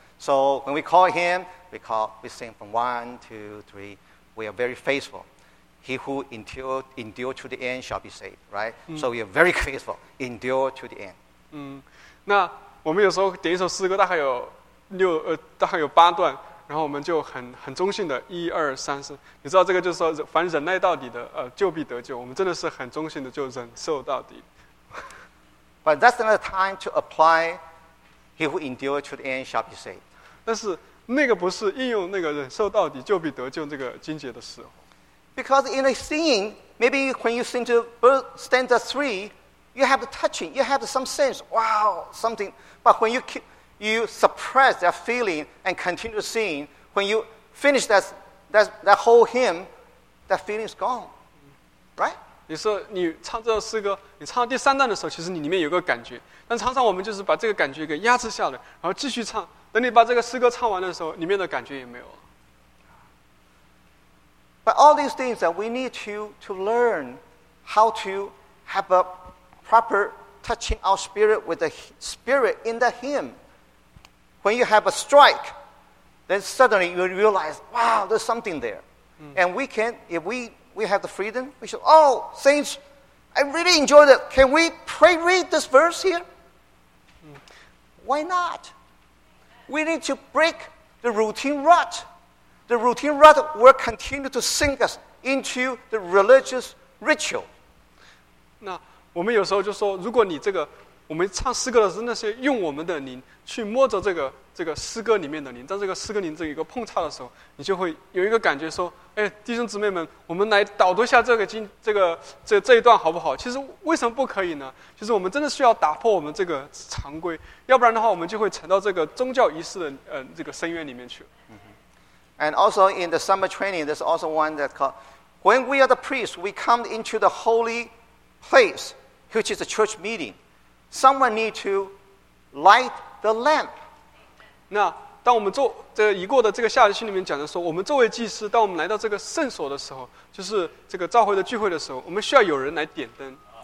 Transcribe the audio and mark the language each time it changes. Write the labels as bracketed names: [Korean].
[English] So when we call him, we sing from 1, 2, 3. We are very faithful. He who endure to the end shall be saved, right? So we are very faithful. Endure to the end. [Chinese] 那我们有时候点一首诗歌，大概有六大概有八段，然后我们就很中性的一二三四，你知道这个就是说，凡忍耐到底的，就必得救。我们真的是很中性的就忍受到底。 [English] But that's not the time to apply. He who endures to the end shall be saved. [Chinese] 但是那个不是应用那个忍受到底就必得救这个经节的时候。 [English] Because in the singing, maybe when you sing to stanza three, you have the touching, you have some sense, wow, something. But when you keep you suppress that feeling and continue to sing, when you finish that whole hymn, that feeling is gone, right? [Chinese] 你说你唱这首诗歌，你唱到第三段的时候，其实你里面有个感觉，但常常我们就是把这个感觉给压制下来，然后继续唱。等你把这个诗歌唱完的时候，里面的感觉也没有了。 [English] But all these things that we need to learn how to have a proper touching our spirit with the spirit in the hymn. When you have a strike, then suddenly you realize, wow, there's something there. And we can, if we have the freedom, we should, oh, saints, I really enjoyed it. Can we pray read this verse here? Why not? We need to break the routine rut. The routine rut will continue to sink us into the religious ritual. [Chinese] 那我们有时候就说，如果你这个我们唱诗歌的是那些用我们的灵去摸着这个诗歌里面的灵，在这个诗歌灵这一个碰擦的时候，你就会有一个感觉说，哎，弟兄姊妹们，我们来导读一下这一段好不好？其实为什么不可以呢？就是我们真的需要打破我们这个常规，要不然的话我们就会沉到这个宗教仪式的这个深渊里面去。 [English] And also in the summer training, there's also one that called, when we are the priests, we come into the holy place, which is a church meeting. Someone need to light the lamp. [Chinese] 那当我们做这已过的这个夏日训里面讲的说，我们作为祭司，当我们来到这个圣所的时候，就是这个召会的聚会的时候，我们需要有人来点灯。